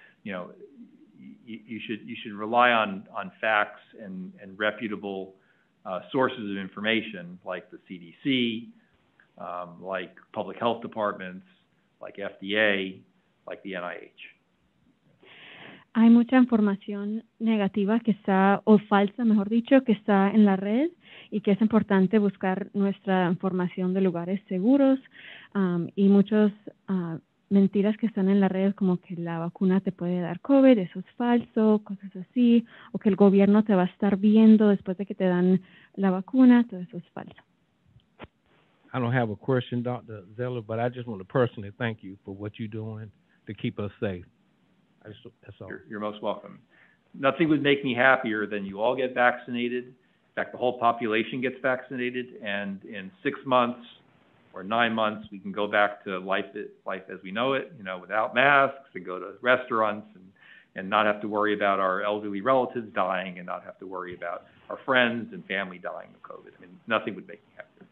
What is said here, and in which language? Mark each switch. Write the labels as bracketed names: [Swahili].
[English] You know, you should rely on facts and reputable sources of information like the CDC, like public health departments, like FDA, like the NIH. [Spanish] Hay mucha información negativa que está, o falsa, mejor dicho, que está en la red, y que es importante buscar nuestra información de lugares seguros, y muchos mentiras que están en la red, como que la vacuna te puede dar COVID, eso es falso, cosas así, o que el gobierno te va a estar viendo después de que te dan la vacuna, todo eso es falso. [English] I don't have a question, Dr. Zeller, but I just want to personally thank you for what you're doing to keep us safe. That's all. You're most welcome. Nothing would make me happier than you all get vaccinated. In fact, the whole population gets vaccinated, and in 6 months or 9 months, we can go back to life as we know it, you know, without masks and go to restaurants and not have to worry about our elderly relatives dying and not have to worry about our friends and family dying of COVID. I mean, nothing would make me happier.